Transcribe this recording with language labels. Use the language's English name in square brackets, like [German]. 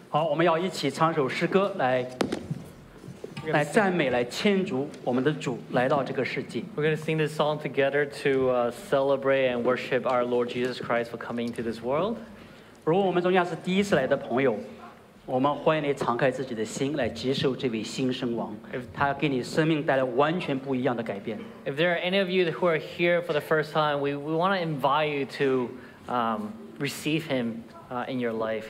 [Chinese] 我们要一起唱首诗歌来赞美来庆祝我们的主来到这个世纪。 [English] We're going to sing this song together to celebrate and worship our Lord Jesus Christ for coming into this world. [Chinese] 如果我们中间是第一次来的朋友, 我们欢迎你敞开自己的心来接受这位新生王。他给你生命带来完全不一样的改变。 [English] If there are any of you who are here for the first time, we want to invite you to receive him in your life.